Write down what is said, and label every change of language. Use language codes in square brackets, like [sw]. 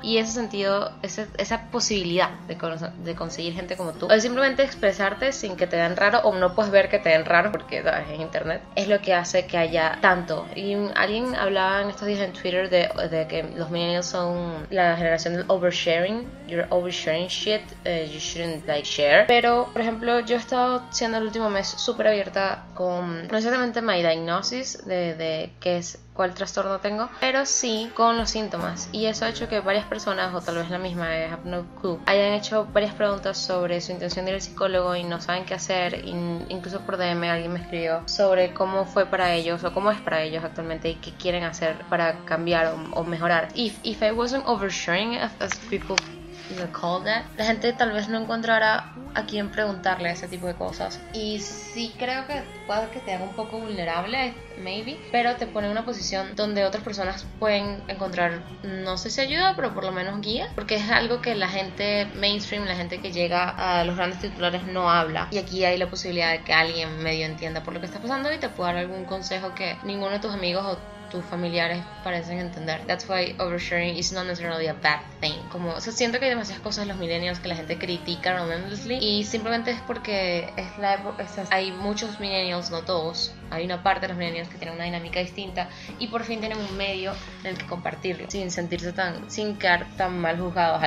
[es] Y ese sentido, esa posibilidad de conseguir gente como tú, o de simplemente expresarte sin que te vean raro, o no puedes ver que te vean raro porque es en internet, es lo que hace que haya tanto. Y alguien hablaba en estos días en Twitter de que los millennials son la generación del oversharing. [en] You're oversharing shit, you shouldn't like share. [es] Pero, por ejemplo, yo he estado siendo el último mes súper abierta con, no exactamente [en] my diagnosis [es] de qué es, cuál trastorno tengo, pero sí con los síntomas. Y eso ha hecho que varias personas, o tal vez la misma, [en] I have no clue, [es] hayan hecho varias preguntas sobre su intención de ir al psicólogo y no saben qué hacer. Incluso por DM alguien me escribió sobre cómo fue para ellos o cómo es para ellos actualmente y qué quieren hacer para cambiar o mejorar. [en] If I wasn't oversharing it, as people call that, [es] la gente tal vez no encontrará a quien preguntarle ese tipo de cosas. Y sí creo que puede que te haga un poco vulnerable, maybe, pero te pone en una posición donde otras personas pueden encontrar, no sé si ayuda, pero por lo menos guía, porque es algo que la gente mainstream, la gente que llega a los grandes titulares, no habla. Y aquí hay la posibilidad de que alguien medio entienda por lo que está pasando y te pueda dar algún consejo que ninguno de tus amigos o tus familiares parecen entender. [en] That's why oversharing is not necessarily a bad thing. [es] Como, o sea, siento que hay demasiadas cosas en los millennials que la gente critica relentlessly, y simplemente es porque es la época, o sea, hay muchos millennials, no todos, hay una parte de los millennials que tienen una dinámica distinta y por fin tienen un medio en el que compartirlo sin sentirse tan, sin quedar tan mal juzgados.